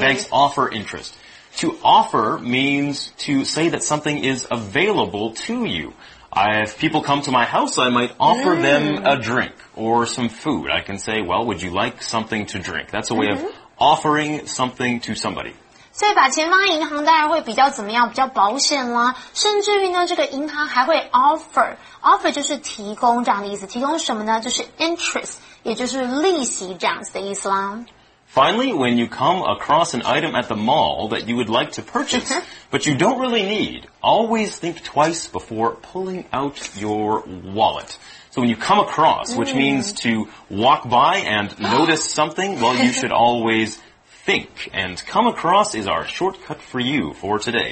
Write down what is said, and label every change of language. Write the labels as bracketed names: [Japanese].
[English] Banks offer interest. To offer means to say that something is available to you. If people come to my house, I might offer them a drink or some food. I can say, well, would you like something to drink? That's a way of offering something to somebody. [Chinese] 所以把钱放在银行当然会比较怎么样，比较保险啦，甚至于呢这个银行还会 offer 就是提供这样的意思，提供什么呢，就是 interest， 也就是利息这样子的意思啦。 [English] Finally, when you come across an item at the mall that you would like to purchase but you don't really need, always think twice before pulling out your wallet. So when you come across, which means to walk by and notice something, well, you should always think, and come across is our shortcut for you for today.